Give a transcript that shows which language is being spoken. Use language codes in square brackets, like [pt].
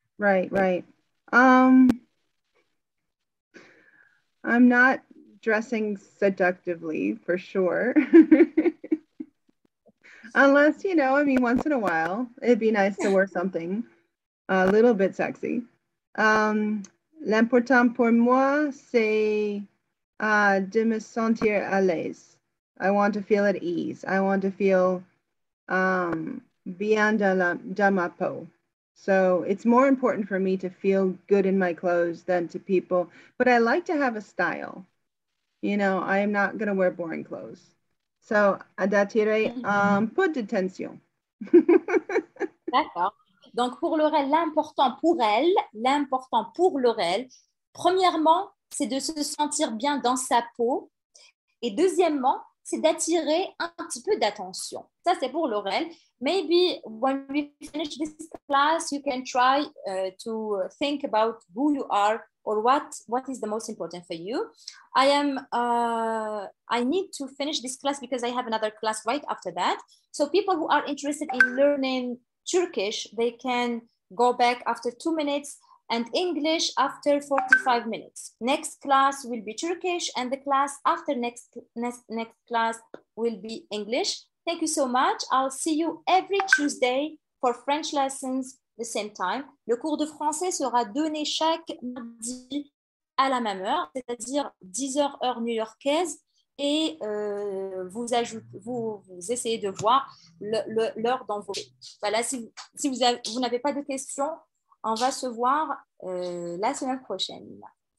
[en] Right. I'm not dressing seductively for sure. Unless, you know, I mean, once in a while, it'd be nice to wear something a little bit sexy. [fr] L'important pour moi, c'est de me sentir à l'aise. [en] I want to feel at ease. I want to feel [fr] bien dans ma peau. [en] So it's more important for me to feel good in my clothes than to people. But I like to have a style. You know, I am not going to wear boring clothes. So, d'attirer, put de tension. [fr] D'accord. Donc, pour Laurel, l'important pour Laurel, premièrement, c'est de se sentir bien dans sa peau. Et deuxièmement, c'est d'attirer un petit peu d'attention. Ça, c'est pour Laurel. [en] Maybe when we finish this class, you can try to think about who you are or what is the most important for you. I need to finish this class because I have another class right after that. So people who are interested in learning Turkish, they can go back after 2 minutes and English after 45 minutes. Next class will be Turkish and the class after next class will be English. Thank you so much. I'll see you every Tuesday for French lessons the same time. [fr] Le cours de français sera donné chaque mardi à la même heure, c'est-à-dire 10h heure new-yorkaise. Et vous essayez de voir l'heure dans vos... Voilà, si vous n'avez pas de questions, on va se voir la semaine prochaine.